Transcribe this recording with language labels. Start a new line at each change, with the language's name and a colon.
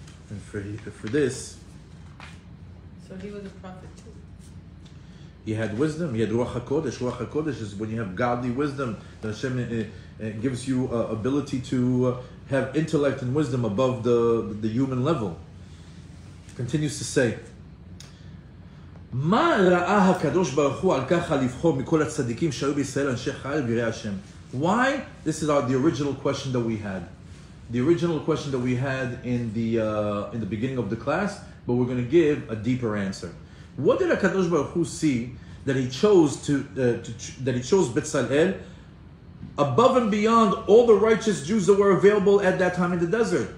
English: And for this, so he was a prophet too. He had wisdom. He had Ruach HaKodesh. Ruach HaKodesh is when you have godly wisdom. The Hashem gives you ability to have intellect and wisdom above the human level. Continues to say,
Hebrew: מה ראה הקדוש ברוך הוא על ככה לבחור מכל הצדיקים שהיו בישראל אנשי חיל ויראי השם?
English: Why? This is the original question that we had. The original question that we had in the beginning of the class, but we're going to give a deeper answer. What did HaKadosh Baruch Hu see that he chose to Bezalel above and beyond all the righteous Jews that were available at that time in the desert?